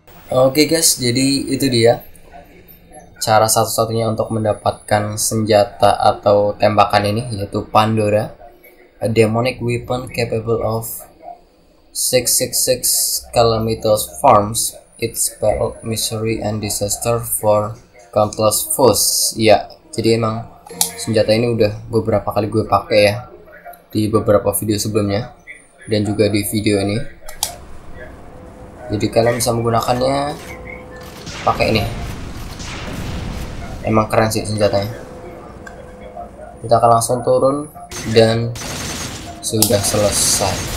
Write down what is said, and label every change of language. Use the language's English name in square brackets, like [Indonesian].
[Indonesian] Oke guys, jadi itu dia cara satu-satunya untuk mendapatkan senjata atau tembakan ini, yaitu Pandora, [English] a demonic weapon capable of 666 calamitous forms. It spells misery and disaster for countless foes. [Indonesian] Ya, jadi emang senjata ini udah beberapa kali gue pakai ya di beberapa video sebelumnya dan juga di video ini. Jadi kalian bisa menggunakannya pakai ini. Emang keren sih senjatanya. Kita akan langsung turun dan sudah selesai.